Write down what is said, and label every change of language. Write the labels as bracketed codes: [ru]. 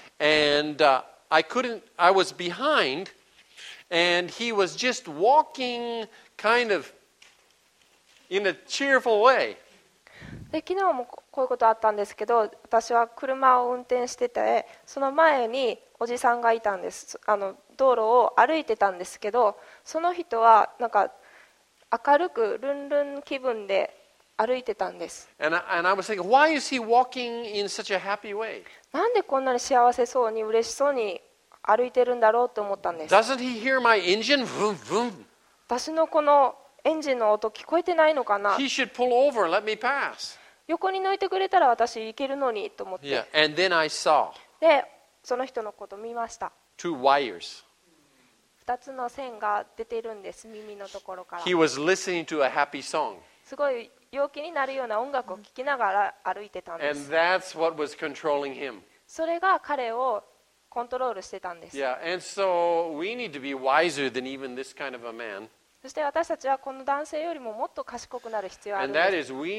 [en] And I was behind, and he was just walking kind of in a cheerful way. [ja] で昨日もこういうことあったんですけど、私は車を運転してて、その前におじさんがいたんです。あの道路を歩いてたんですけど、その人はなんか明るくルンルン気分で歩いてたんです。 [en] and I was thinking, why is he walking in such a happy way? [ja] なんでこんなに幸せそうに嬉しそうに歩いてるんだろうと思ったんです。 [en] Doesn't he hear my engine? Vroom, vroom. [ja] 私のこのエンジンの音聞こえてないのかな。 [en] He should pull over and let me pass. [ja] 横に抜いてくれたら私行けるのにと思って。 [en] Yeah, and then I saw. [ja] で、その人のこと見ました。 [en] Two wires. [ja] 2つの線が出てるんです、耳のところから。 [en] He was listening to a happy song. [ja] すごい陽気になるような音楽を聴きながら歩いてたんです。 [en] And that's what was controlling him. [ja] それが彼をコントロールしてたんです。 [en] Yeah, and so we need to be wiser than even this kind of a man. [ja] そして私たちはこの男性よりももっと賢くなる必要があるんです。